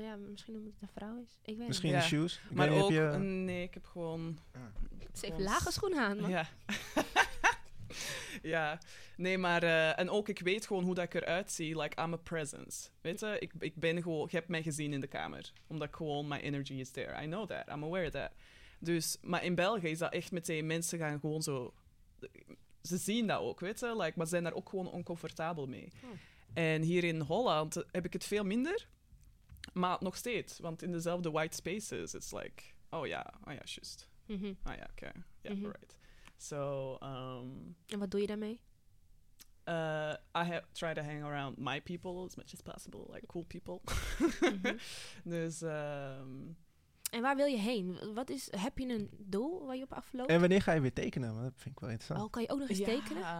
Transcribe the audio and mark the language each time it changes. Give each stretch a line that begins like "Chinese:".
Dutch: Ja, misschien omdat het een vrouw is. Ik weet misschien niet. De shoes. Ik maar weet, ook, heb je, nee, ik heb gewoon, ze heeft lage schoenen aan. Ja. Ja, nee, maar en ook ik weet gewoon hoe dat ik eruit zie.
English: Like, I'm a presence.
Dutch: Weet je, ik ben gewoon, je hebt mij gezien in de kamer. Omdat gewoon,
English: my energy is there. I know that, I'm aware of that.
Dutch: Dus, maar in België is dat echt meteen, mensen gaan gewoon zo, ze zien dat ook, weet je. Like, maar zijn daar ook gewoon oncomfortabel mee. En hier in Holland heb ik het veel minder. Maar nog steeds, want in dezelfde white spaces,
English: it's like,
Dutch: oh ja, just. Mm-hmm. Oh ja, oké, okay. Yeah, mm-hmm. Right. So, en wat doe je daarmee?
English: I try to hang around my people as much as possible, like cool people. Mm-hmm. Dus,
Dutch: en waar wil je heen? Wat is, heb je een doel waar je op afloopt? En wanneer ga je weer tekenen? Dat vind ik wel interessant. Oh, kan je ook nog eens tekenen?